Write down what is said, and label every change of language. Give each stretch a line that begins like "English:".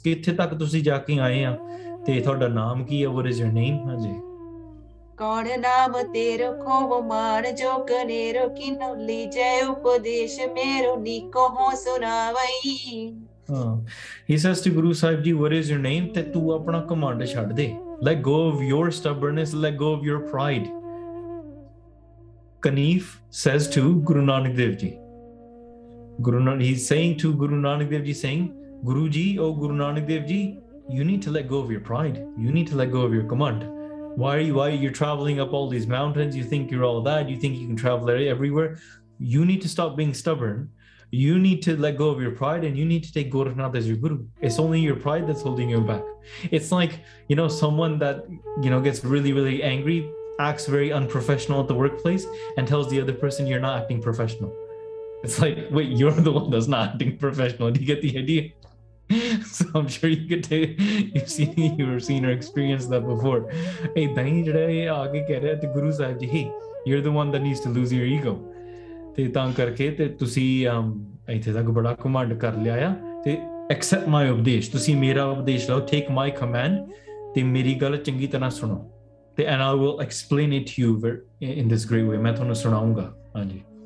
Punjabi: ਕਿੱਥੇ ਤੱਕ ਤੁਸੀਂ ਜਾ ਕੇ ਆਏ ਆ ਤੇ ਤੁਹਾਡਾ ਨਾਮ ਕੀ ਹੈ
English: what is your name
Punjabi: ਹਾਂਜੀ ਕੌਣ ਨਾਮ ਤੇਰੋ ਖੋ ਮਾਨ ਜੋ ਕਨੇਰੋ ਕੀ ਨੁਲੀ ਜੈ ਉਪਦੇਸ਼ ਮੇਰੋ ਨੀ ਕੋ ਸੁਣਾਵਈ
English: He says to Guru Sahib Ji, what is your name?
Punjabi: Te tu apna command chhad de.
English: Let go of your stubbornness, let go of your pride. Kanif says to Guru Nanak Dev Ji. He's saying to Guru Nanak Dev Ji, saying, Guru Ji, oh Guru Nanak Dev Ji, you need to let go of your pride. You need to let go of your command. Why are you traveling up all these mountains? You think you're all that? You think you can travel everywhere? You need to stop being stubborn. You need to let go of your pride and you need to take Gorakhnath as your guru. It's only your pride that's holding you back. It's like, you know, someone that, you know, gets really, really angry, acts very unprofessional at the workplace and tells the other person you're not acting professional. It's like, wait, you're the one that's not acting professional. Do you get the idea? So I'm sure you could take, you've seen or experienced that before. Hey,
Punjabi: Dhani jada ye aage keh raha hai te
English: Guru Sahib Ji, hey, you're the one that needs to lose your ego.
Punjabi: ਤੇ ਤਾਂ ਕਰਕੇ ਤੇ ਤੁਸੀਂ ਇੱਥੇ ਤੱਕ ਬੜਾ ਘਮੰਡ ਕਰ ਲਿਆ ਆ ਤੇ
English: accept my ਉਪਦੇਸ਼
Punjabi: ਤੁਸੀਂ ਮੇਰਾ ਉਪਦੇਸ਼ ਲਓ
English: take my command
Punjabi: ਤੇ ਮੇਰੀ ਗੱਲ ਚੰਗੀ ਤਰ੍ਹਾਂ ਸੁਣੋ ਤੇ
English: and I will explain it you in this great way
Punjabi: ਮੈਂ ਤੁਹਾਨੂੰ ਸੁਣਾਉਂਗਾ ਹਾਂਜੀ